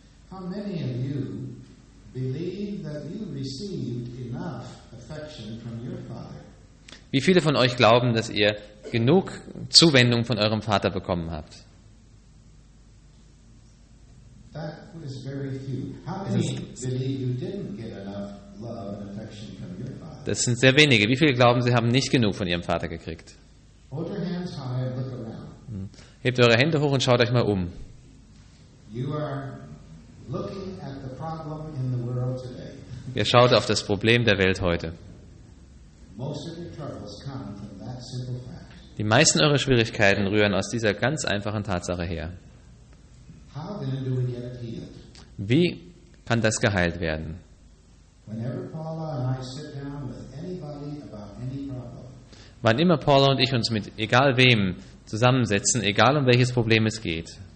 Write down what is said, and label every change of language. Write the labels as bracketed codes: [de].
[en] How many of you believe that you received enough affection from your father? [de] Wie viele von euch glauben, dass ihr genug Zuwendung von eurem Vater bekommen habt? [en] That is very few. How many believe you didn't get enough love and affection from your father? [de] Das sind sehr wenige. Wie viele glauben, sie haben nicht genug von ihrem Vater gekriegt? [en] Hold your hands high and look around. [de] Hebt eure Hände hoch und schaut euch mal um. [en] You are looking at the problem in the world today. [de] Ihr schaut auf das Problem der Welt heute. [en] Most of your troubles come from that simple fact. [de] Die meisten eurer Schwierigkeiten rühren aus dieser ganz einfachen Tatsache her. [en] How then do we get it healed? [de] Wie kann das geheilt werden? [en] Whenever Paula and I sit down with anybody about any problem. [de] Wann immer Paula und ich uns mit egal wem zusammensetzen, egal um welches Problem es geht,